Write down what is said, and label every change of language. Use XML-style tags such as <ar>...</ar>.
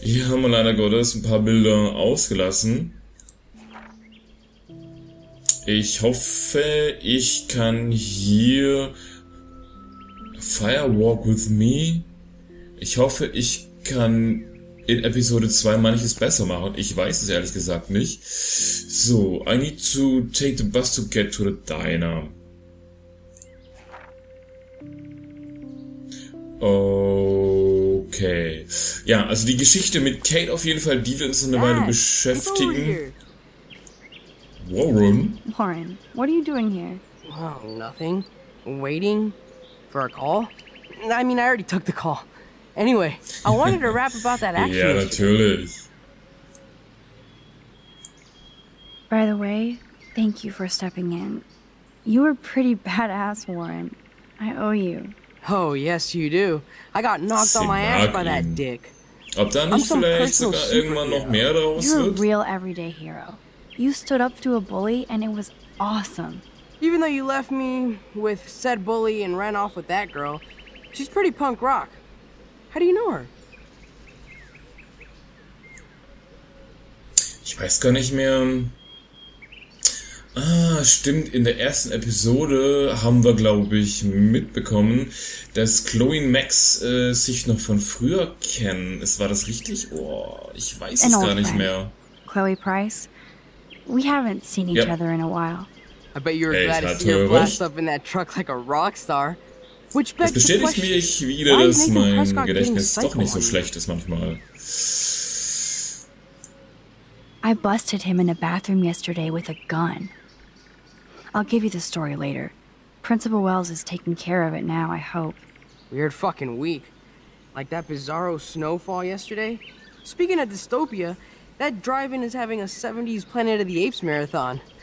<de>Hier haben wir leider Gottes ein paar Bilder ausgelassen. Ich hoffe, ich kann hier Firewalk with me. Ich hoffe, ich kann in Episode 2 manches besser machen. Ich weiß es ehrlich gesagt nicht.</de> <en>So, I need to take the bus to get to the diner. Okay.</en> <de>Ja, also die Geschichte mit Kate auf jeden Fall, die wir uns eine Weile beschäftigen.</de> <en>Warren, what are you doing here? Oh, nothing. Waiting for a call? I mean, I already took the call. Anyway, I wanted to rap about that action. Yeah, naturally. By the way, thank you for stepping in. You were pretty badass, Warren. I owe you. Oh, yes, you do. I got knocked on my ass by that dick.</en> <de>Ob da nicht vielleicht sogar irgendwann noch mehr daraus</de> <en>wird? You're a real everyday hero. You stood up to a bully, and it was awesome. Even though you left me with said bully and ran off with that girl, she's pretty punk rock. How do you know her?</en> <de>Ich weiß gar nicht mehr. Ah, stimmt. In der ersten Episode haben wir, glaube ich, mitbekommen, dass Chloe und Max sich noch von früher kennen. Ist war das richtig? Oh, ich weiß es gar nicht mehr.</de> <en>Chloe Price. We haven't seen each other in a while. I bet you were glad to see her blast up in that truck like a rock star.</en> <de>Das bestätigt mich wieder, dass mein Gedächtnis doch nicht so schlecht ist manchmal.</de> <en>I busted him in the bathroom yesterday with a gun. I'll give you the story later. Principal Wells is taking care of it now, I hope. Weird fucking week. Like that bizarro snowfall yesterday? Speaking of dystopia, that drive-in is having a 70s Planet of the Apes marathon.</en>